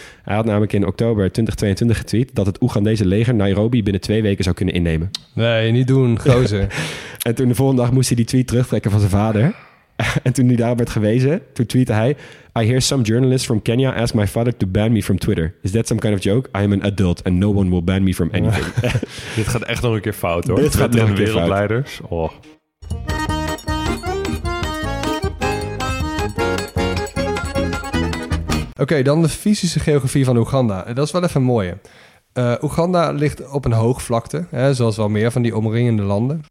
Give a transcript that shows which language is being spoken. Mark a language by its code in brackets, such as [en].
[nl] Hij had namelijk in oktober 2022 getweet dat het Oegandese leger Nairobi binnen 2 weken zou kunnen innemen. Nee, niet doen, gozer. En toen de volgende dag moest hij die tweet terugtrekken van zijn vader. En toen hij daar werd gewezen, toen tweette hij, [en] I hear some journalists from Kenya ask my father to ban me from Twitter. Is that some kind of joke? I am an adult and no one will ban me from anything. [nl] Dit gaat echt nog een keer fout, hoor. Dit gaat nog een keer fout. Wereldleiders. Oh. Oké, dan de fysische geografie van Oeganda. Dat is wel even mooi. Oeganda ligt op een hoogvlakte, hè, zoals wel meer van die omringende landen.